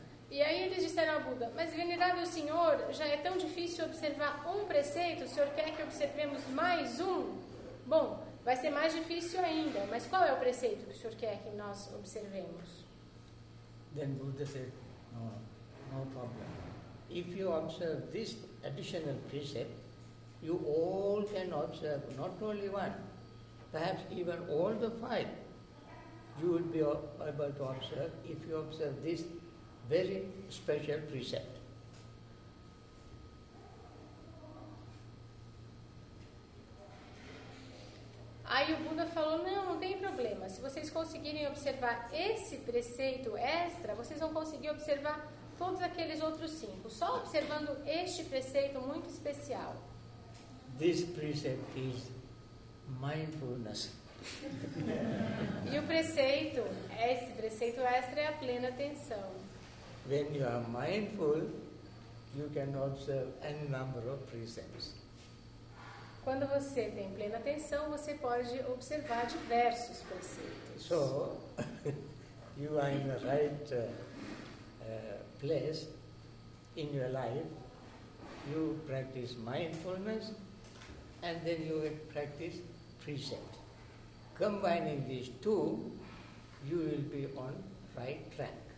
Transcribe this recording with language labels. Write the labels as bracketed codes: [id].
[pt] E aí eles disseram ao Buda, mas venerável senhor, já é tão difícil observar um preceito, o senhor quer que observemos mais um? Bom, vai ser mais difícil ainda, mas qual é o preceito que o senhor quer que nós observemos? [en] Then Buddha said, no problem. If you observe this additional precept, you all can observe not only one, perhaps even all the five. You would be able to observe if you observe this very special precept. [pt] Aí o Buda falou, não tem problema. Se vocês conseguirem observar esse preceito extra, vocês vão conseguir observar todos aqueles outros cinco. Só observando este preceito muito especial. [en] This precept is mindfulness. [pt] E o preceito, esse preceito extra é a plena atenção. [en] When you are mindful, you can observe any number of precepts. [pt] Quando você tem plena atenção, você pode observar diversos preceitos. [en] So, you are in the right place in your life. You practice mindfulness and then you will practice precept. Combining these two, you will be on right track.